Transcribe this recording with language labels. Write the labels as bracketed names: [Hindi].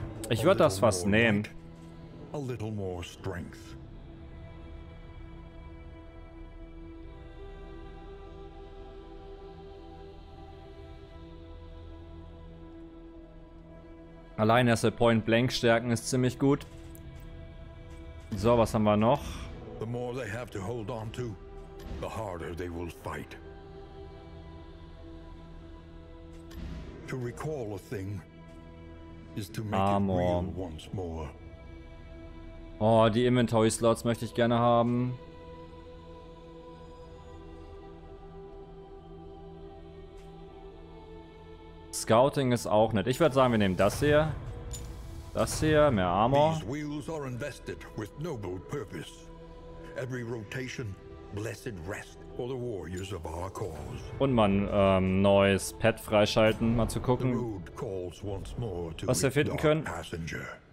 [German] Ich würde das fast nehmen. [English] A little more strength. [German] Allein, dass er Point Blank stärken ist ziemlich gut. So, was haben wir noch? [English] The more they have to hold on to, the harder they will fight. To recall a thing is to make Armor. It real once more. [German] Oh, die Inventory Slots möchte ich gerne haben. Scouting ist auch nett. Ich würde sagen, wir nehmen das hier. Das hier, mehr Armor. [English] These wheels are invested with noble purpose. Every rotation, blessed rest for the warriors of our cause. [German] Und mal ein neues Pet freischalten, mal zu gucken, was wir finden können. Passenger.